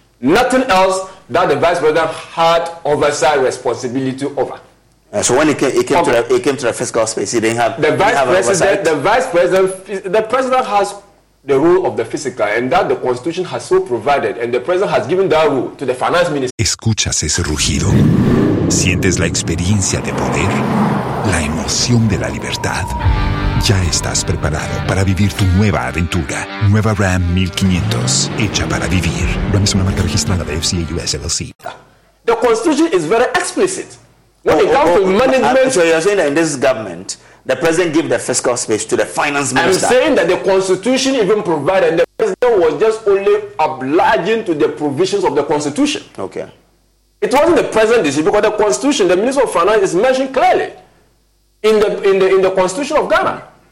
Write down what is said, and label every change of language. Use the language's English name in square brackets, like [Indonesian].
[English] Nothing else that the vice president had oversight responsibility over. So when it came to the fiscal space, he didn't have the vice president. The vice president, the president has the rule of the fiscal, and that the constitution has so provided, and the president has given that rule to the finance minister. [Spanish] Escuchas ese rugido, sientes la experiencia de poder, la emoción de la libertad. Ya estás preparado para vivir tu nueva aventura. Nueva Ram 1500, hecha para vivir. Ram es una marca registrada de FCA US LLC. [English] The constitution is very explicit. When it comes to management... So you're saying that in this government, the president gave the fiscal space to the finance minister? I'm saying that the constitution even provided, the president was just only obliging to the provisions of the constitution. Okay. It wasn't the president's decision, because the constitution, the minister of finance is mentioned clearly in the constitution of Ghana.